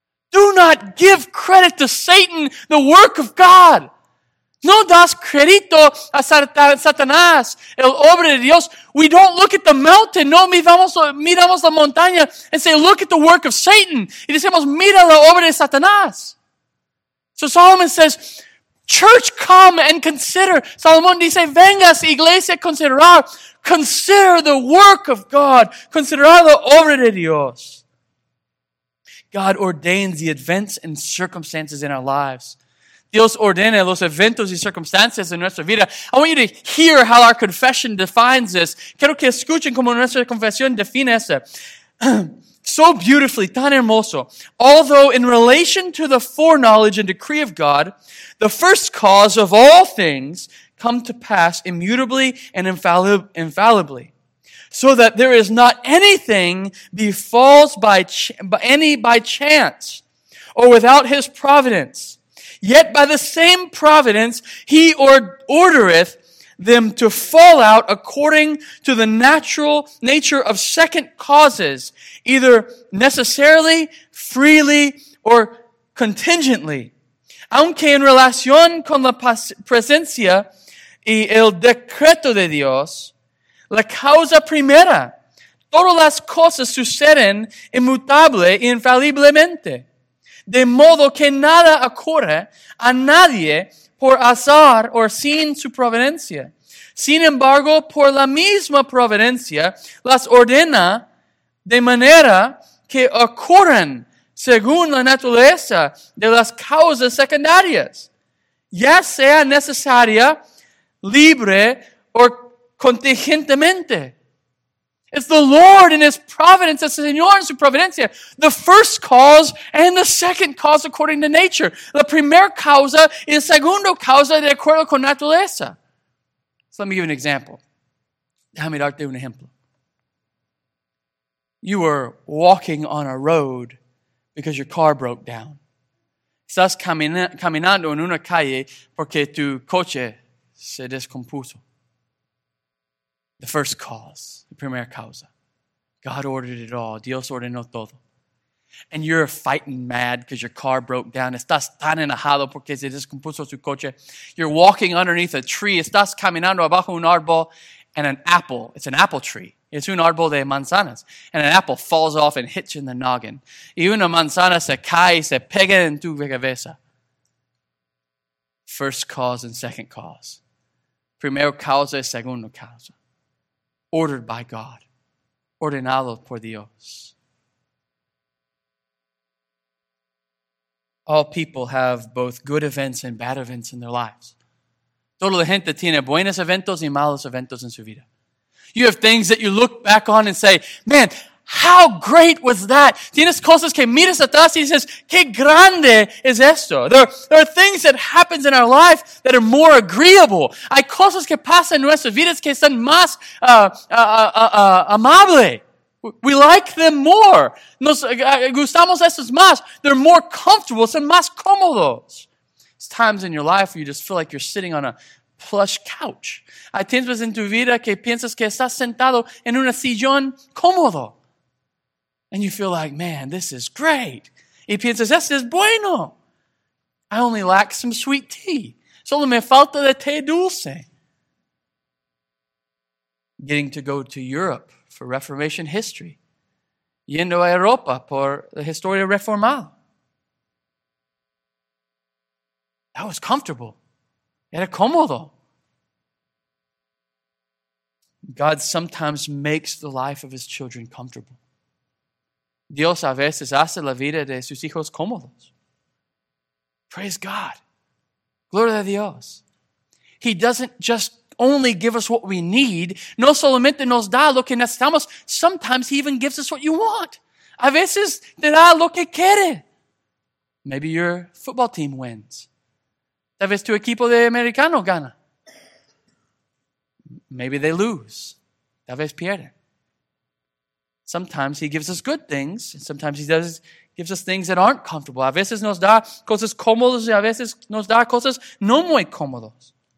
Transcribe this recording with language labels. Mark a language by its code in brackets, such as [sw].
[en] Do not give credit to Satan, the work of God. [es] No das crédito a Satanás, el obra de Dios. [en] We don't look at the mountain. [es] No miramos la montaña [en] and say, look at the work of Satan. [es] Y decimos, mira la obra de Satanás. [en] So Solomon says, church, come and consider. [es] Salomón dice, vengas, iglesia, considerar. [en] Consider the work of God. [es] Considerar la obra de Dios. [en] God ordains the events and circumstances in our lives. [es] Dios ordena los eventos y circunstancias en nuestra vida. [en] I want you to hear how our confession defines this. [es] Quiero que escuchen cómo nuestra confesión define eso. [en] So beautifully, [es] tan hermoso. [en] Although in relation to the foreknowledge and decree of God, the first cause of all things come to pass immutably and infallibly. So that there is not anything befalls by chance or without his providence. Yet by the same providence, he ordereth them to fall out according to the natural nature of second causes, either necessarily, freely, or contingently. [es] Aunque en relación con la presencia y el decreto de Dios, la causa primera, todas las cosas suceden inmutable y infaliblemente. De modo que nada ocurre a nadie por azar o sin su providencia. Sin embargo, por la misma providencia, las ordena de manera que ocurren según la naturaleza de las causas secundarias, ya sea necesaria, libre o contingentemente. [en] It's the Lord in his providence, [es] el Señor en su providencia. [en] The first cause and the second cause according to nature. [es] La primera causa y la segunda causa de acuerdo con naturaleza. [en] So let me give an example. [es] Déjame darte un ejemplo. [en] You were walking on a road because your car broke down. [es] Estás caminando en una calle porque tu coche se descompuso. [en] The first cause, the primera causa. God ordered it all. [es] Dios ordenó todo. [en] And you're fighting mad because your car broke down. [es] Estás tan enojado porque se descompuso su coche. [en] You're walking underneath a tree. [es] Estás caminando abajo un árbol [en] and an apple. It's an apple tree. [es] Es un árbol de manzanas. [en] And an apple falls off and hits you in the noggin. [es] Y una manzana se cae y se pega en tu cabeza. [en] First cause and second cause. [es] Primera causa y segunda causa. [en] ordered by God, [es] ordenado por Dios. [en] All people have both good events and bad events in their lives. [es] Toda la gente tiene buenos eventos y malos eventos en su vida. [en] You have things that you look back on and say, man, how great was that? [es] Tienes cosas que miras atrás y dices, qué grande es esto. [en] There are things that happen in our life that are more agreeable. [es] Hay cosas que pasan en nuestras vidas que son más amables. [en] We like them more. [es] Nos gustamos esos más. [en] They're more comfortable. [es] Son más cómodos. [en] It's times in your life where you just feel like you're sitting on a plush couch. [es] Hay tiempos en tu vida que piensas que estás sentado en un sillón cómodo. [en] And you feel like, man, this is great. [es] Y piensas, esto es bueno. [en] I only lack some sweet tea. [es] Solo me falta de té dulce. [en] Getting to go to Europe for Reformation history. [es] Yendo a Europa por la historia reformal. [en] That was comfortable. [es] Era cómodo. [en] God sometimes makes the life of his children comfortable. [es] Dios a veces hace la vida de sus hijos cómodos. [en] Praise God. [es] Gloria a Dios. [en] He doesn't just only give us what we need. [es] No solamente nos da lo que necesitamos. [en] Sometimes he even gives us what you want. [es] A veces te da lo que quiere. [en] Maybe your football team wins. [es] Tal vez tu equipo de americano gana. [en] Maybe they lose. [es] Tal vez pierde. [en] Sometimes he gives us good things. Sometimes gives us things that aren't comfortable. [es] A veces nos da cosas cómodas y a veces nos da cosas no muy cómodas.